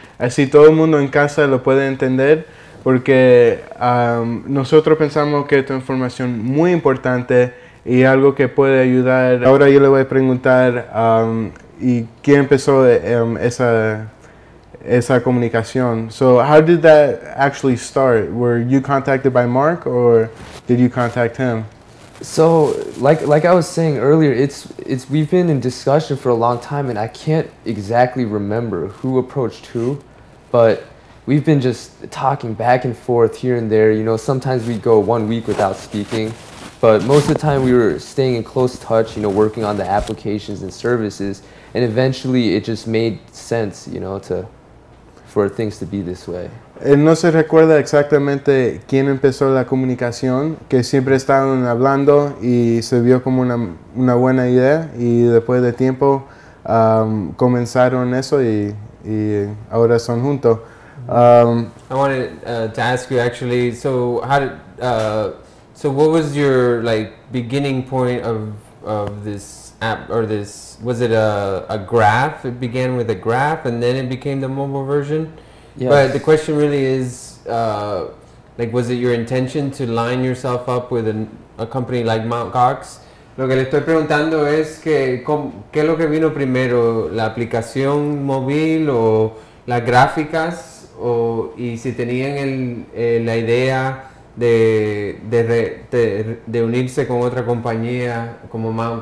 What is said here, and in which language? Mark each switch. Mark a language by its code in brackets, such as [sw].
[es] Así todo el mundo en casa lo puede entender porque nosotros pensamos que esta información es muy importante y algo que puede ayudar. Ahora yo le voy a preguntar y quién empezó esa comunicación. [en] So how did that actually start? Were you contacted by Mark or did you contact him? So like I was saying earlier, it's we've been in discussion for a long time and I can't exactly remember who approached who, but we've been just talking back and forth here and there. You know, sometimes we'd go 1 week without speaking, but most of the time we were staying in close touch, you know, working on the applications and services, and eventually it just made sense, you know, to for things to be this way. [es] Él no se recuerda exactamente quién empezó la comunicación, que siempre estaban hablando y se vio como una buena idea y después de tiempo comenzaron eso y ahora son juntos. [en] I wanted to ask you actually, so how did, so what was your like beginning point of this app or this, was it a graph? It began with a graph and then it became the mobile version? Yes. But the question really is, like, was it your intention to line yourself up with a company like Mt. Gox? [es] Lo que le estoy preguntando es que, ¿qué es lo que vino primero? ¿La aplicación móvil o las gráficas? O, y si tenían la idea de unirse con otra compañía como Mt.